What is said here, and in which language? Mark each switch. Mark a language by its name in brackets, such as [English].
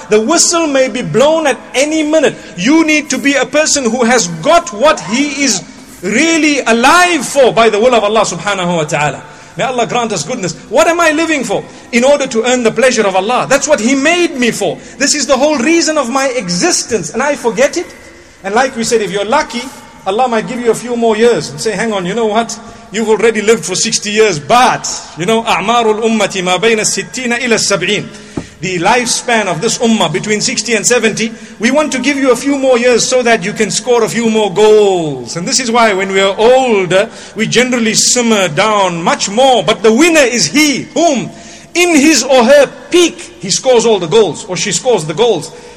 [English] The whistle may be blown at any minute. You need to be a person who has got what he is really alive for by the will of Allah subhanahu wa ta'ala. May Allah grant us goodness. What am I living for? In order to earn the pleasure of Allah. That's what He made me for. This is the whole reason of my existence. And I forget it. And like we said, if you're lucky, Allah might give you a few more years. And say, hang on, you know what? You've already lived for 60 years. But, you know, [Arabic] أَعْمَارُ الْأُمَّةِ مَا بَيْنَ السِّتِّينَ إِلَى السَّبْعِينَ. [English] The lifespan of this ummah between 60 and 70, we want to give you a few more years so that you can score a few more goals. And this is why when we are older, we generally simmer down much more. But the winner is he whom, in his or her peak, he scores all the goals, or she scores the goals.